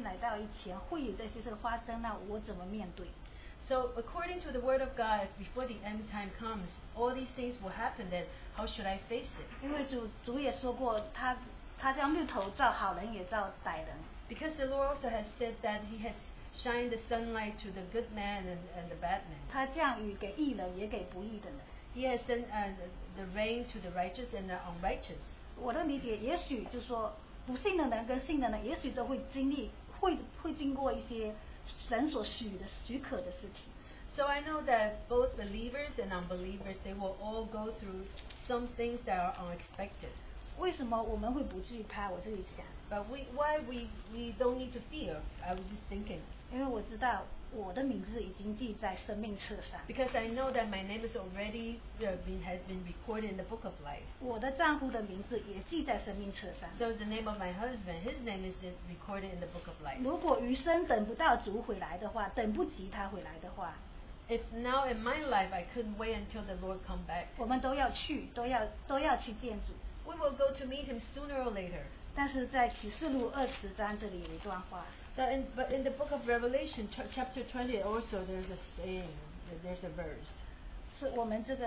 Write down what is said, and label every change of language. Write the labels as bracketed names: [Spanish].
[Chinese] 但如果照主的话说,末期来到以前,会有这些事发生,那我怎么面对? [English] So, according to the Word of God, before the end time comes, all these things will happen, then how should I face it? [Chinese] 因为主也说过,他将日头照好人也照歹人。 [English] Because the Lord also has said that He has shined the sunlight to the good man and the bad man. [Chinese] 他降雨给义人,也给不义的人。 [English] He has sent the rain to the righteous and the unrighteous. [Chinese] 我的理解也许就是说不信的人跟信的人也许都会经历会经过一些神所许的许可的事情。 [English] So I know that both believers and unbelievers, they will all go through some things that are unexpected. [Chinese] 为什么我们会不惧怕,我自己想。 [English] But why we don't need to fear, I was just thinking. [Chinese] 因为我知道, 我的名字已经记在生命册上。 [English] Because I know that my name is already has been recorded in the book of life. [Chinese] 我的丈夫的名字也记在生命册上。 [English] So the name of my husband, his name is recorded in the book of life. [Chinese] 如果余生等不到主回来的话, 等不及他回来的话, [English] if now in my life I couldn't wait until the Lord come back. [Chinese] 我们都要去, 都要去见主。 [English] We will go to meet him sooner or later. [Chinese] 但是在启示录20章这里有一段话。 [English] But in the book of Revelation, chapter 20, also there's a saying, there's a verse.